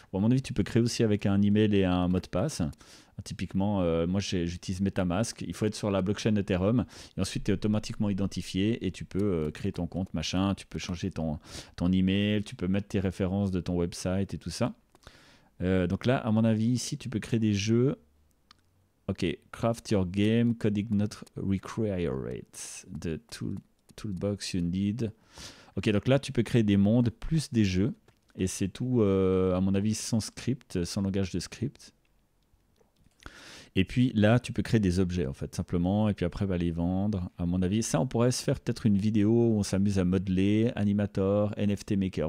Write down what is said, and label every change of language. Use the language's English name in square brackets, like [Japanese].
[French] Bon, à mon avis, tu peux créer aussi avec un email et un mot de passe. Typiquement, moi j'utilise MetaMask, il faut être sur la blockchain Ethereum, et ensuite tu es automatiquement identifié et tu peux créer ton compte, machin, tu peux changer ton email, tu peux mettre tes références de ton website et tout ça. Donc là, à mon avis, ici tu peux créer des jeux. [English] Ok, craft your game, coding not required. The toolbox you need. [French] Ok, donc là tu peux créer des mondes plus des jeux, et c'est tout, à mon avis, sans script, sans langage de script. Et puis là, tu peux créer des objets en fait, simplement, et puis après, bah, les vendre, à mon avis. Ça, on pourrait se faire peut-être une vidéo où on s'amuse à modeler, Animator, NFT Maker.